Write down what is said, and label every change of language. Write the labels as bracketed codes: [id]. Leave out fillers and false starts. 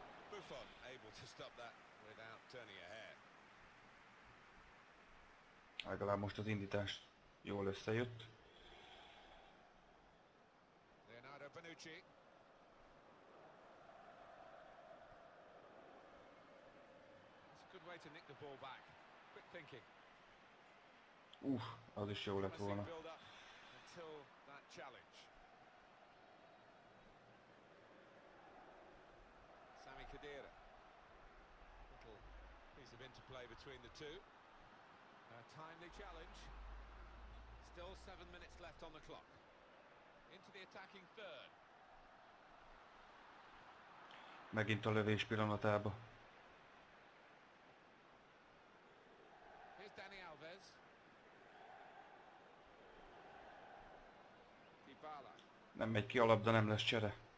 [en] Buffon able to stop that without turning a hair. [hu] Legalább most az indítás jól összejött. Leonardo Bonucci. [en] Good way to nick the ball back. Quick thinking. [hu] Oof, az is jó lett volna. [en] Until that challenge. Sami Khedira. Little piece of interplay between the two. A timely challenge. Still 7 minutes left on the clock. Into the attacking third. [hu] Megint a lövés pillanatába. Dani Alves. Dybala. Nem megy ki a labda, nem lesz csere.